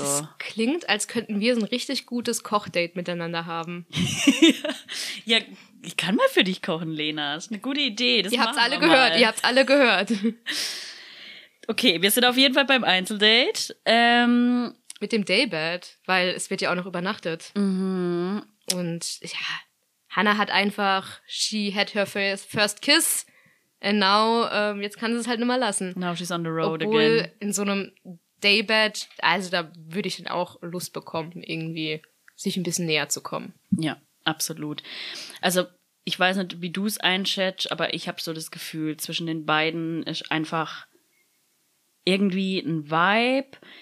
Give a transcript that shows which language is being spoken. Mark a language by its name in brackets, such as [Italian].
[German] Das klingt, als könnten wir so ein richtig gutes Kochdate miteinander haben. Ja, ich kann mal für dich kochen, Lena. Das ist eine gute Idee. Ihr habt's alle gehört. Okay, wir sind auf jeden Fall beim Einzeldate. Mit dem Daybed, weil es wird ja auch noch übernachtet. Und ja, Hannah hat einfach, [English] she had her first kiss. And now, [German] jetzt kann sie es halt nicht mehr lassen. [English] Now she's on the road again. [German] Obwohl, in so einem Daybed, also da würde ich dann auch Lust bekommen, irgendwie sich ein bisschen näher zu kommen. Ja, absolut. Also, ich weiß nicht, wie du es einschätzt, aber ich habe so das Gefühl, zwischen den beiden ist einfach irgendwie ein Vibe.